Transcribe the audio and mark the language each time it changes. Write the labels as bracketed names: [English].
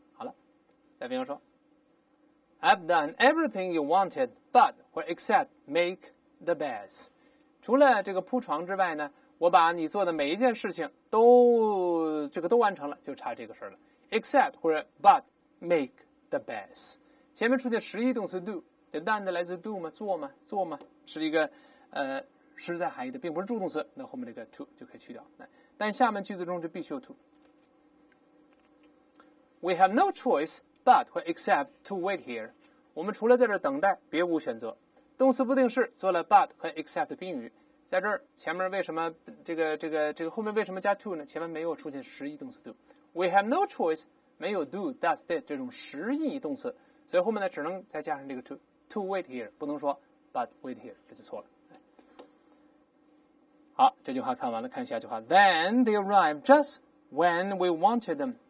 [Chinese] 好了，再比方说 [English] I've done everything you wanted, but would except make the beds. [Chinese] 除了这个铺床之外呢，我把你做的每一件事情都完成了，就差这个事了。 [English] Except 或者 but make the best, [Chinese] 前面出现实义动词 do, 这 done 来自 do 吗？做吗？是一个实在含义的，并不是助动词，那后面这个 to 就可以去掉。但下面句子中就必须有 to。 [English] We have no choice but [Chinese] 或 [English] except to wait here. [Chinese] 我们除了在这等待，别无选择。动词不定式做了 but 和 except 的宾语。在这儿前面为什么这个后面为什么加 to 呢？前面没有出现实义动词 do, [English] we have no choice, [Chinese] 没有 do, does, did 这种实义动词，所以后面呢只能再加上这个 [English] to wait here, [Chinese] 不能说 [English] but wait here, [Chinese] 这就错了。好，这句话看完了，看下句话。 [English] Then they arrived just when we wanted them.